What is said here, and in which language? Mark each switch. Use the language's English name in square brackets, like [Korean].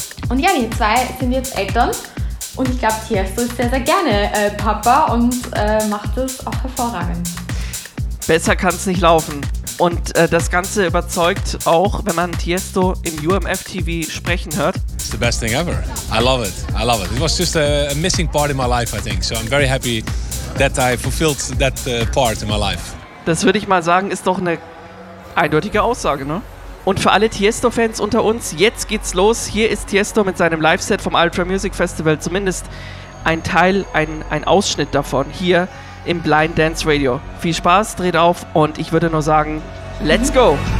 [German] Und ja, die zwei sind jetzt Eltern und ich glaube, Tiesto ist sehr, sehr gerne Papa und macht das auch hervorragend. Besser kann es nicht laufen. Und das Ganze überzeugt auch, wenn man Tiesto im UMF-TV sprechen hört. [English] It's the best thing ever. I love it. It was just a missing part in my life, I think. So I'm very happy that I fulfilled that part in my life. [German] Das würde ich mal sagen, ist doch eine eindeutige Aussage, ne? Und für alle Tiesto-Fans unter uns, jetzt geht's los. Hier ist Tiesto mit seinem Live-Set vom Ultra Music Festival. Zumindest ein Teil, ein Ausschnitt davon hier im Blind Dance Radio. Viel Spaß, dreht auf und ich würde nur sagen, [English] let's go!